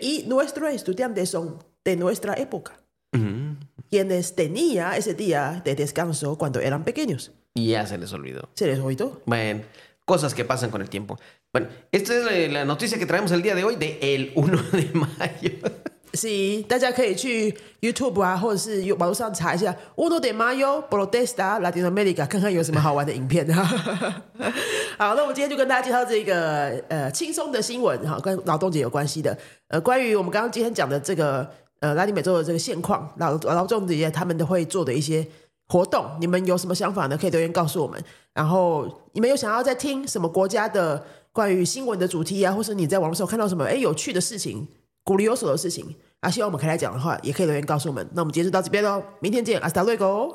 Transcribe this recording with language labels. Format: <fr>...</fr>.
<es>Y nuestros estudiantes son de nuestra época. Quienes tenían ese día de descanso cuando eran pequeños. Y ya se les olvidó. Se les olvidó. Bueno, cosas que pasan con el tiempo. Bueno, esta es la noticia que traemos el día de hoy de el 1 de mayo.</es> <zh>Sí, 大家可以去 YouTube 啊，或者是网络上查一下</zh> <es>Uno de Mayo protesta Latinoamérica，</es> <zh>看看有什么好玩的影片。好，那我们今天就跟大家介绍这个轻松的新闻，跟劳动节有关系的。关于我们刚刚今天讲的这个拉丁美洲的这个现况，劳动节他们都会做的一些活动，你们有什么想法呢？可以留言告诉我们。然后你们有想要再听什么国家的关于新闻的主题啊，或是你在网络上看到什么有趣的事情？</zh> <es>Curioso de cosas, así que vamos a querer hablar, y que lo hayan dicho a nosotros. Nos vemos en el siguiente video. Hasta luego.</es>